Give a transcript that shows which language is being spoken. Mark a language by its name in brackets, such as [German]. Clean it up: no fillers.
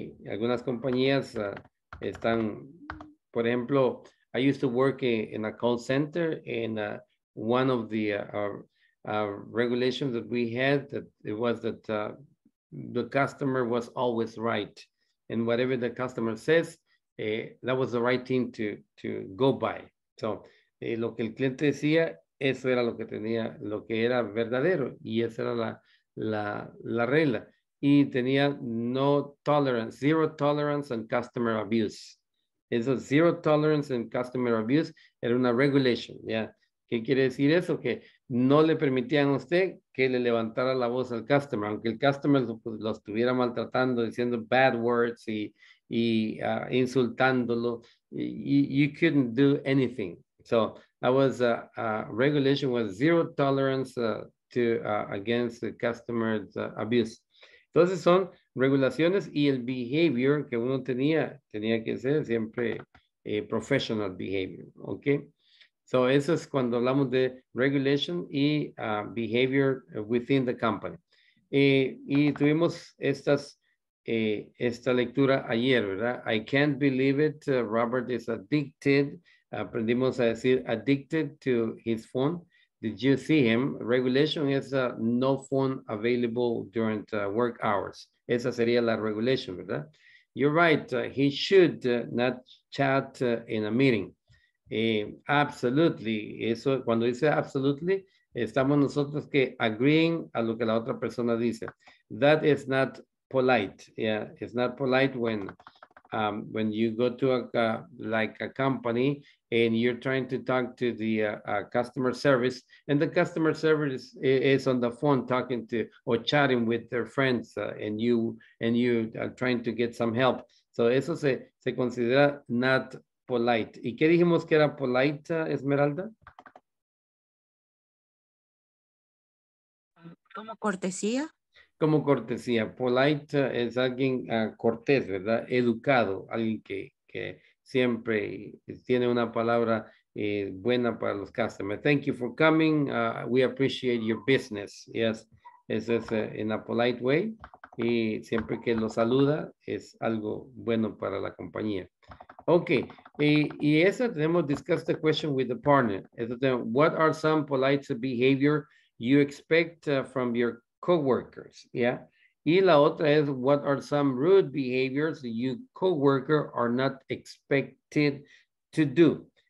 [Spanish] Algunas compañías están, por ejemplo, [English] I used to work in a call center and one of the regulations that we had that it was that the customer was always right. And whatever the customer says, that was the right thing to go by. [Spanish] So, lo que el cliente decía, eso era lo que tenía, lo que era verdadero, y esa era la regla. Y tenía [English] no tolerance, zero tolerance and customer abuse. [Spanish] Eso, [English] zero tolerance and customer abuse, [Spanish] era una regulation, ¿ya? ¿Qué quiere decir eso? Que no le permitían a usted que le levantara la voz al customer, aunque el customer lo estuviera maltratando, diciendo bad words y insultándolo. [English] You couldn't do anything. So that was a regulation was zero tolerance against the customer's abuse. [Spanish] Entonces son regulaciones y el behavior que uno tenía que ser siempre professional behavior, okay? So eso es cuando hablamos de regulation y behavior [English] within the company. [Spanish] Y tuvimos esta lectura ayer, ¿verdad? [English] I can't believe it, Robert is addicted. [Spanish] Aprendimos a decir [English] addicted to his phone. Did you see him? Regulation is no phone available during work hours. [Spanish] Esa sería la regulation, ¿verdad? [English] You're right. He should not chat in a meeting. Absolutely. [Spanish] Eso, cuando dice absolutely, estamos nosotros que agreeing a lo que la otra persona dice. [English] That is not polite. Yeah, it's not polite when you go to a company and you're trying to talk to the customer service, and the customer service is on the phone talking to or chatting with their friends, and you are trying to get some help. [Spanish] So eso se considera [English] not polite. [Spanish] ¿Y qué dijimos que era polite, Esmeralda? Como cortesía. Como cortesía. Polite es alguien cortés, ¿verdad? Educado, alguien que siempre tiene una palabra buena para los customers. [English] Thank you for coming. We appreciate your business. [Spanish] Yes, es [English] in a polite way. [Spanish] Y siempre que lo saluda, es algo bueno para la compañía. [English] Okay. [Spanish] Y eso tenemos [English] discuss the question with the partner. What are some polite behavior you expect from your co-workers? Yeah. [Spanish] Y la otra es, [English] what are some rude behaviors you co-worker are not expected to do?